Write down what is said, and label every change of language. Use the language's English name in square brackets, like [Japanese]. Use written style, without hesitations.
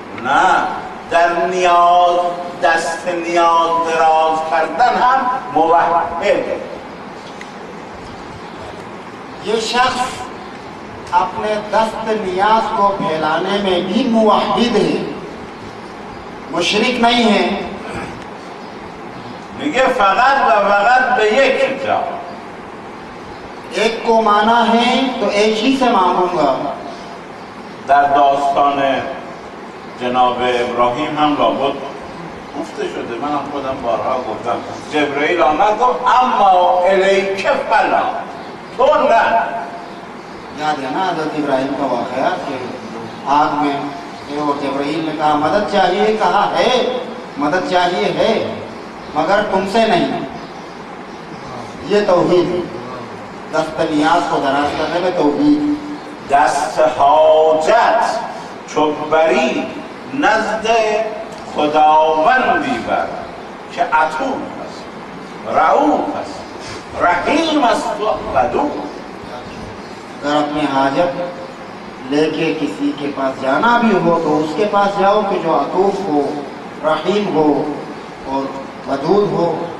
[Persian] ना در نیاز دست نیاز دراز کردن هم موحد. [Urdu] یه شخص اپنے دست نیاز کو پھیلانے میں بھی موحد ہے، مشرک نہیں ہے، [Persian] میگه فقط و فقط به یک جا، [Urdu] ایک کو مانا ہے تو ایک ہی سے مانگوں گا. [Persian] در داستان جناب ابراهیم هم لابد گفته شده، من هم خودم بارها گفتم، جبرئیل آمد گفت [Arabic] اما الیک فلا، [Persian] تو نه. [Urdu] یاد یا نه حضرت ابراهیم کا واقعه که آگ میں جبرئیل نے کہا مدد چاہیے، کہا ہے مدد چاہیے ہے مگر تم سے نہیں. یہ توحید، دست نیاز کو دراز کرنے میں توحید. [Persian] دست حاجت چو بری نزد خداوندی بر که عطوف است، رعوف است، رحیم است و ودود. [Urdu] اگر اپنی حاجت لے کے کسی کے پاس جانا بھی ہو تو اس کے پاس جاؤ کہ جو عطوف ہو، رحیم ہو اور ودود ہو.